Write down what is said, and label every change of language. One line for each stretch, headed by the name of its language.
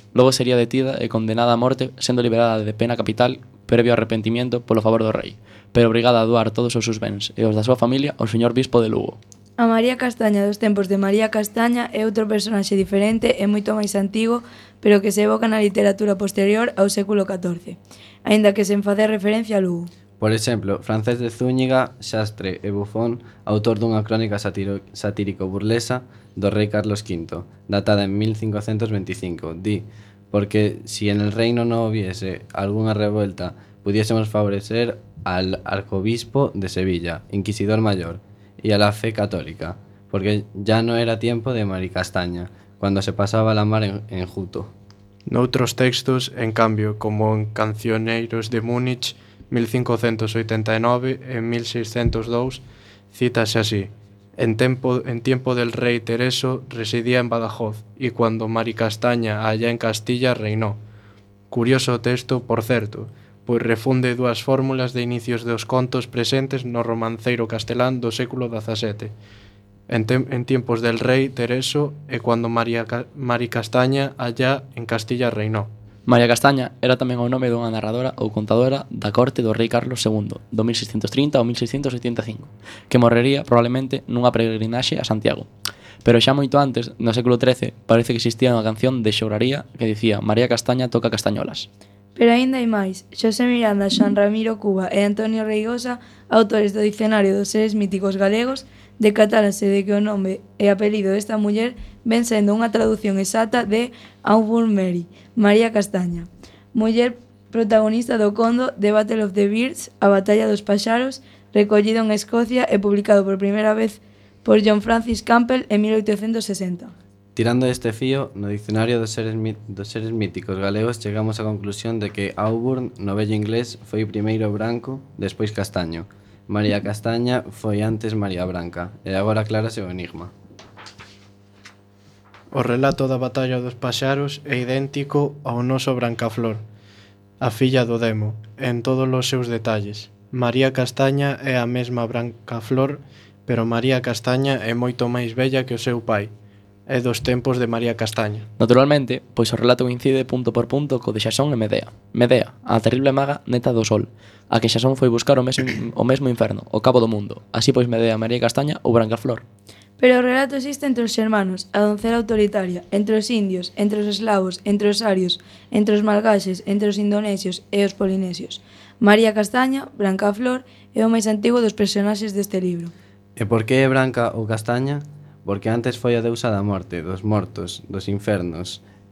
Galician: Logo sería detida e condenada a morte, sendo liberada de pena capital, previo arrepentimiento polo favor do rei, pero obrigada a doar todos os seus bens e os da súa familia ao señor bispo de Lugo. A María Castaña dos tempos de María Castaña é outro personaxe diferente e moito máis antigo, pero que se evoca na literatura posterior ao século XIV, aínda que sen facer referencia a Lugo. Por exemplo, Francés de Zúñiga, xastre e bufón, autor dunha crónica satírico-burlesa do rei Carlos V, datada en 1525, di:
Spanish: porque si en el reino no hubiese alguna revuelta, pudiésemos favorecer al arzobispo de Sevilla, inquisidor mayor, y a la fe católica, porque ya no era tiempo de Maricastaña, cuando se pasaba la mar en juto.
Galician: Noutros textos, en cambio, como en Cancioneiros de Múnich, 1589 e 1602, cítase así:
Spanish: en tiempo del rey Tereso residía en Badajoz, y cuando Maricastaña allá en Castilla reinó.
Galician: Curioso texto, por certo, pois refunde dúas fórmulas de inicios dos contos presentes no romanceiro castelán do século XVII.
Spanish: En tiempos del rey Tereso e cuando Maricastaña allá en Castilla reinó.
Galician: María Castaña era tamén o nome dunha narradora ou contadora da corte do rei Carlos II, do 1630 ao 1685, que morrería probablemente nunha peregrinaxe a Santiago. Pero xa moito antes, no século XIII, parece que existía unha canción de xouraría que dicía: María Castaña toca castañolas. Pero aínda hai máis. Xosé Miranda, Xoán Ramiro Cuba e Antonio Reigosa, autores do Dicionario dos Seres Míticos Galegos, decatarase de que o nome e apelido desta muller ven sendo unha traducción exata de Auburn Mary, María Castaña, muller protagonista do conto The Battle of the Birds, A Batalla dos Paxaros, recollido en Escocia e publicado por primeira vez por John Francis Campbell en 1860. Tirando deste fío, no Dicionario dos seres Míticos Galegos chegamos á conclusión de que Auburn, no vello inglés, foi primeiro branco, despois castaño. María Castaña foi antes María Branca, e agora aclárase o enigma. O relato da Batalla dos Paxaros é idéntico ao noso Brancaflor, a filla do Demo, en todos os seus detalles. María Castaña é a mesma Brancaflor, pero María Castaña é moito máis bella que o seu pai. É dos tempos de María Castaña. Naturalmente, pois o relato coincide punto por punto co de Xasón e Medea. Medea, a terrible maga neta do sol, a que Xasón foi buscar o mesmo inferno, o cabo do mundo. Así pois Medea, María Castaña ou Brancaflor. Pero o relato existe entre os xermanos, a doncela autoritaria, entre os indios, entre os eslavos, entre os arios, entre os malgaxes, entre os indonesios e os polinesios. María Castaña, Brancaflor, é o máis antigo dos personaxes deste libro. E por que é Branca ou Castaña? Porque antes foi a deusa da morte, dos mortos, dos infernos.